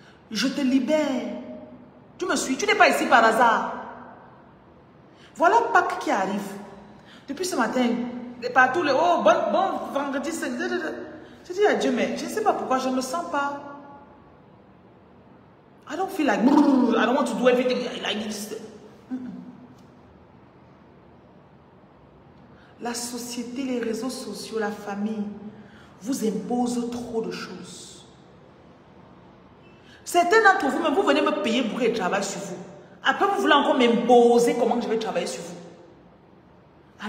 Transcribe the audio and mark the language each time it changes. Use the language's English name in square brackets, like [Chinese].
[French] Je te libère. Tu me suis. Tu n'es pas ici par hasard. Voilà Pâques qui arrive. Depuis ce matin, partout, le oh, bon vendredi, c'est... Je dis à Dieu, mais je ne sais pas pourquoi, je ne me sens pas. [English] I don't feel like... I don't want to do everything like this. [French] La société, les réseaux sociaux, la famille vous imposent trop de choses. Certains d'entre vous, mais vous venez me payer pour que je travaille sur vous. Après, vous voulez encore m'imposer comment je vais travailler sur vous.